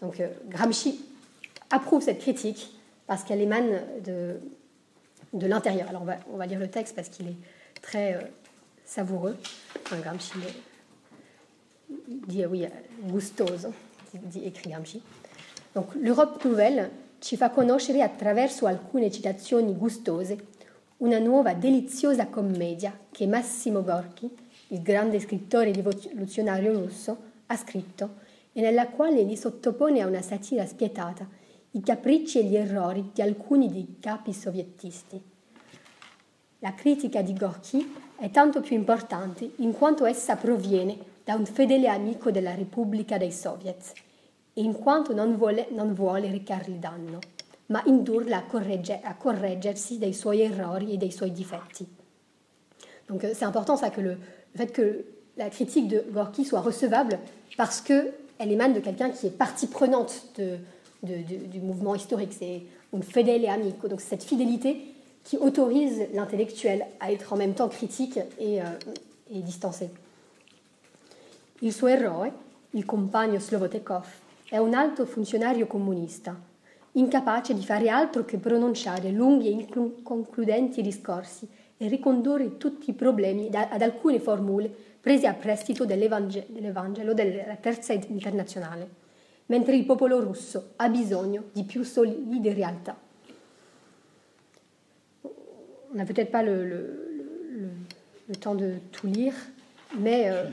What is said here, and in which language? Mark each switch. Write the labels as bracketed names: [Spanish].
[French] Donc Gramsci approuve cette critique parce qu'elle émane de l'intérieur. Alors on va lire le texte parce qu'il est très savoureux. Enfin, Gramsci dit « oui, gustoso », écrit Gramsci. [Italian] Donc « L'Europe nouvelle ci fa conoscere attraverso alcune citazioni gustose una nuova deliziosa commedia che Massimo Gorki, il grande scrittore rivoluzionario russo, ha scritto e nella quale gli sottopone a una satira spietata i capricci e gli errori di alcuni dei capi sovietisti. La critica di Gorki è tanto più importante in quanto essa proviene da un fedele amico della Repubblica dei Soviet e in quanto non vuole recargli danno, ma indurla a correggersi dei suoi errori e dei suoi difetti. [French] Donc c'est important ça, que le fait que la critique de Gorki soit recevable parce qu'elle émane de quelqu'un qui est partie prenante du mouvement historique. C'est un [Italian] fedele amico, [French] donc cette fidélité qui autorise l'intellectuel à être en même temps critique et distancé. [Italian] Il suo eroe, il compagno Slovotekov, è un alto funzionario comunista, incapace di fare altro che pronunciare lunghi e inconcludenti discorsi e ricondurre tutti i problemi ad alcune formule prese a prestito dell'Evangelo della Terza Internazionale, mentre il popolo russo ha bisogno di più solide realtà. [French] On n'a peut-être pas le temps de tout lire, mais...